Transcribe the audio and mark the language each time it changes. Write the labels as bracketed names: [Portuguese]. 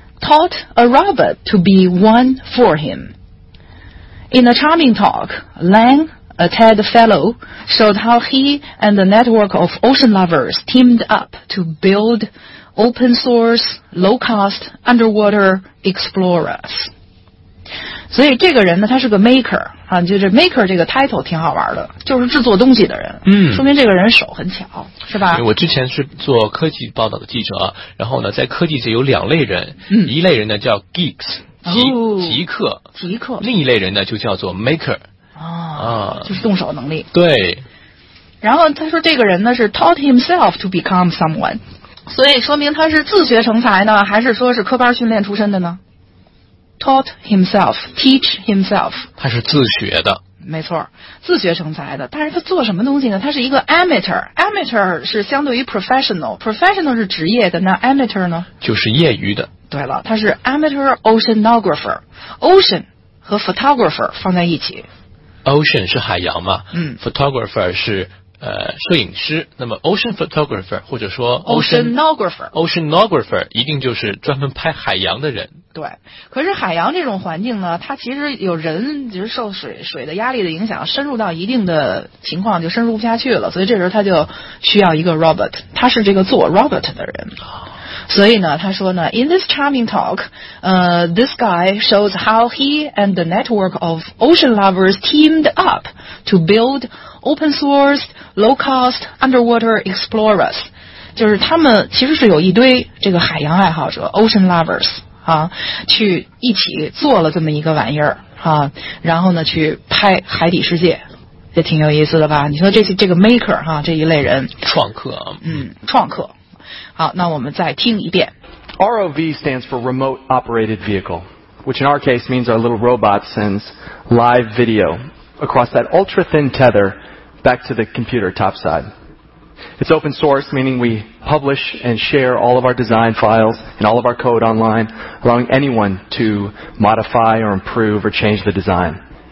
[English] taught a robot to be one for him. In a charming talk, Lang, a TED fellow, showed how he and the network of ocean lovers teamed up to build open source, low cost underwater explorers. [Chinese] 所以这个人呢，他是个 maker 啊，就是 maker 这个 title 挺好玩的，就是制作东西的人。嗯，说明这个人手很巧，是吧？我之前是做科技报道的记者，然后呢，在科技界有两类人，嗯，一类人呢叫 geeks，极客，另一类人呢就叫做 maker，啊，就是动手能力。对。然后他说这个人呢是 [English] taught himself to become someone， [Chinese] 所以说明他是自学成才呢，还是说是科班训练出身的呢？ Taught himself, teach himself. 他是自学的。没错，自学成才的。但是他做什么东西呢？他是一个 amateur。 Amateur 是相对于 professional。 Professional 是职业的，那 amateur 呢？就是业余的。对了，他是 amateur oceanographer。 Ocean 和 photographer 放在一起。 Ocean 是海洋嘛？嗯。 Photographer 是摄影师。那么 ocean photographer 或者说 [English] oceanographer [Chinese] 一定就是专门拍海洋的人。对，可是海洋这种环境呢，它其实有人就是受水的压力的影响，深入到一定的情况就深入不下去了，所以这时候他就需要一个 robot， 他是这个做 robot 的人。所以呢，他说呢 [English] ，In this charming talk， this guy shows how he and the network of ocean lovers teamed up to build open source low cost underwater explorers， [Chinese] 就是他们其实是有一堆这个海洋爱好者 [English] ocean lovers。 [Chinese] 啊，去一起做了这么一个玩意儿啊，然后呢去拍海底世界，也挺有意思的吧？你说这个 maker 哈、啊、这一类人，创客，嗯，创客。好，那我们再听一遍。 [English] ROV stands for Remote Operated Vehicle, which in our case means our little robot sends live video across that ultra thin tether back to the computer topside. It's open source, meaning we publish and share all of our design files and all of our code online, allowing anyone to modify or improve or change the design.